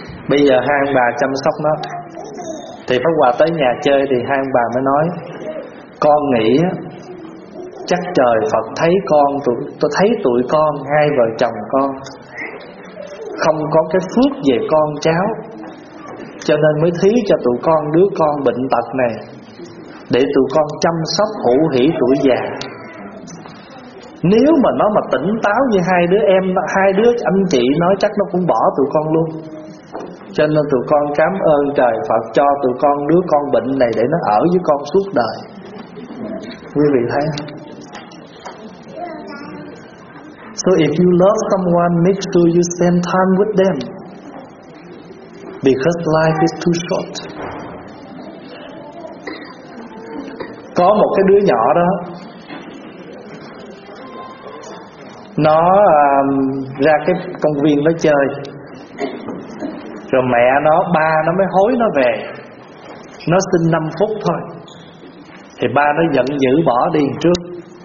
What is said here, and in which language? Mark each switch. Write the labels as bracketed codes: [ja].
[vi] Bây giờ hai ông bà chăm sóc nó, thì Pháp Hòa tới nhà chơi thì hai ông bà mới nói con nghĩ chắc trời Phật thấy con, tôi thấy tụi con hai vợ chồng con không có cái phước về con cháu, cho nên mới thí cho tụi con đứa con bệnh tật này để tụi con chăm sóc hữu hỷ tuổi già. Nếu mà nó mà tỉnh táo như hai đứa em, hai đứa anh chị nói chắc nó cũng bỏ tụi con luôn. Cho nên tụi con cảm ơn trời Phật cho tụi con đứa con bệnh này để nó ở với con suốt đời. Quý vị thấy không? [en] So if you love someone, make sure you spend time with them, because life is too short. [vi] Có một cái đứa nhỏ đó, nó ra cái công viên nó chơi, rồi mẹ nó, ba nó mới hối nó về. Nó xin 5 phút thôi, thì ba nó giận dữ bỏ đi trước.